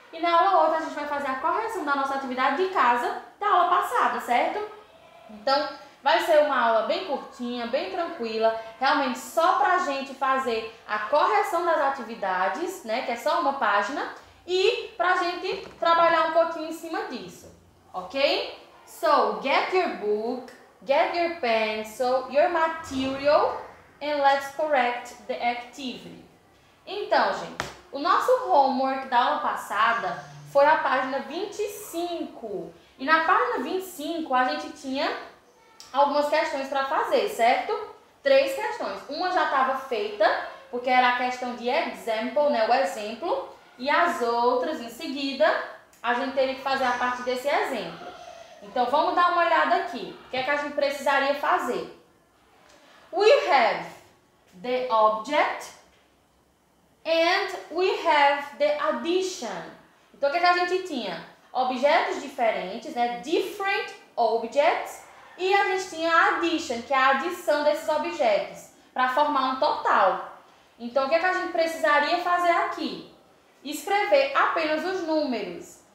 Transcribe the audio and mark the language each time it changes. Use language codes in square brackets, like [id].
[pt] E na aula 8, a gente vai fazer a correção da nossa atividade de casa da aula passada, certo? Então, vai ser uma aula bem curtinha, bem tranquila. Realmente, só para a gente fazer a correção das atividades, né? Que é só uma página. E para a gente trabalhar um pouquinho em cima disso, ok? [en] So, get your book. Get your pencil, your material, and let's correct the activity. [pt] Então, gente, o nosso homework da aula passada foi a página 25. E na página 25, a gente tinha algumas questões para fazer, certo? Três questões. Uma já estava feita, porque era a questão de example, né? O exemplo. E as outras, em seguida, a gente teria que fazer a parte desse exemplo. Então, vamos dar uma olhada aqui. O que é que a gente precisaria fazer? [en] We have the object and we have the addition. [pt] Então, o que é que a gente tinha? Objetos diferentes, né? [en] Different objects. [pt] E a gente tinha a addition, que é a adição desses objetos, para formar um total. Então, o que é que a gente precisaria fazer aqui? Escrever apenas os números.